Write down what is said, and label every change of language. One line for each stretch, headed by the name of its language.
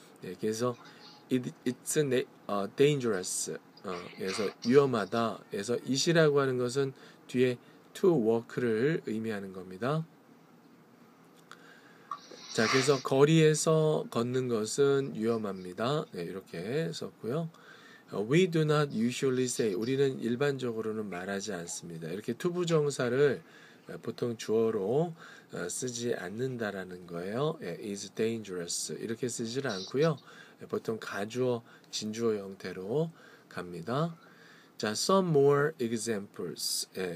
Korean: 네, 그래서
English: it's dangerous.
Korean: 그래서 위험하다. 그래서 is이라고 하는 것은 뒤에 to walk를 의미하는 겁니다. 자, 그래서 거리에서 걷는 것은 위험합니다. 네, 이렇게 썼고요.
English: We do not usually say,
Korean: 우리는 일반적으로는 말하지 않습니다. 이렇게 to 부정사를 보통 주어로 쓰지 않는다라는 거예요. Is dangerous 이렇게 쓰질 않고요. 보통 가주어, 진주어 형태로 갑니다. 자,
English: some more examples.